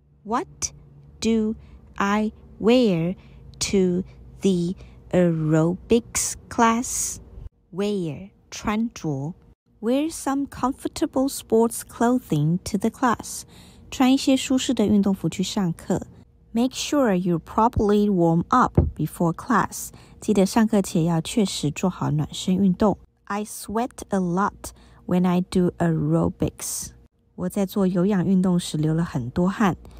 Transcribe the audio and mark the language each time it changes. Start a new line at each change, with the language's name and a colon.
English: What do I wear to the aerobics class? Wear, 穿着。Wear some comfortable sports clothing to the class.
Chinese: 穿一些舒适的运动服去上课。
English: Make sure you properly warm up before class.
Chinese: 记得上课前要确实做好暖身运动。
English: I sweat a lot when I do aerobics.
Chinese: 我在做有氧运动时流了很多汗。